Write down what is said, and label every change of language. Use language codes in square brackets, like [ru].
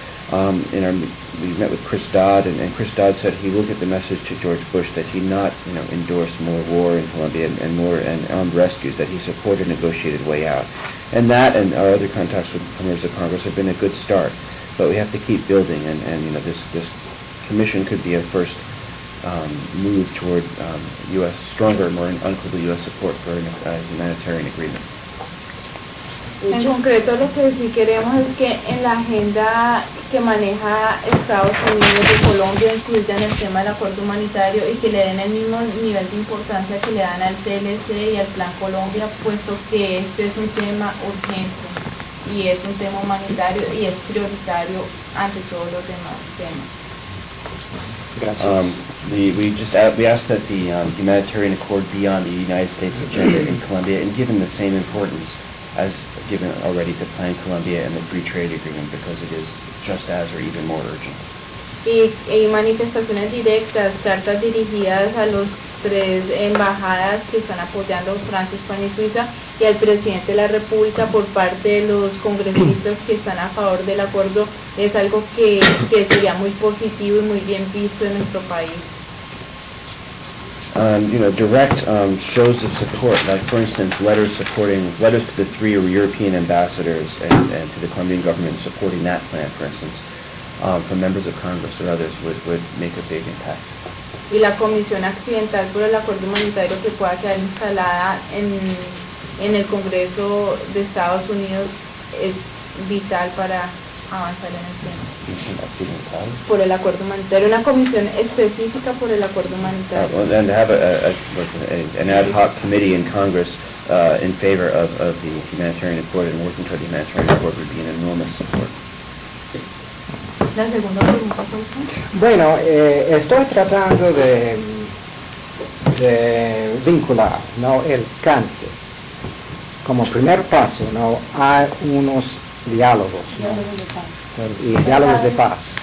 [en] We met with Chris Dodd, and Chris Dodd said he will get the message to George Bush that he not, you know, endorse more war in Colombia and more and armed rescues, that he support a negotiated way out. And that and our other contacts with members of Congress have been a good start, but we have to keep building, and you know, this commission could be a first move toward U.S. stronger, more unequivocal U.S. support for a humanitarian agreement. [es] En concreto, lo que sí queremos es que en la agenda que maneja Estados Unidos de Colombia incluyan el tema del acuerdo humanitario y que le den el mismo nivel de importancia que le dan al TLC y al Plan Colombia, puesto que este es un tema urgente y es un tema humanitario y es prioritario ante todos los demás temas. [en] We ask that the humanitarian accord be on the United States agenda in Colombia and given the same importance as given already to Plan Colombia and the free trade agreement, because it is just as or even more urgent. [es] Y manifestaciones directas, cartas dirigidas a los tres embajadas que están apoyando Francia, España y Suiza y al presidente de la República por parte de los congresistas que están a favor del acuerdo, es algo que sería muy positivo y muy bien visto en nuestro país. [en] Direct shows of support, like for instance letters to the three European ambassadors and to the Colombian government supporting that plan, for instance, from members of Congress or others would make a big impact. [es] Y la comisión accidental por el acuerdo humanitario que pueda quedar instalada en el Congreso de Estados Unidos es vital para avanzar en el tema. Por el acuerdo humanitario, una comisión específica por el acuerdo humanitario. [en] And to have an ad hoc committee in Congress in favor of the humanitarian accord and working toward the humanitarian accord would be an enormous support. [es] Bueno, estoy tratando de vincular, ¿no?, el CANTE como primer paso, ¿no?, a unos diálogos, ¿no?, y diálogos de paz.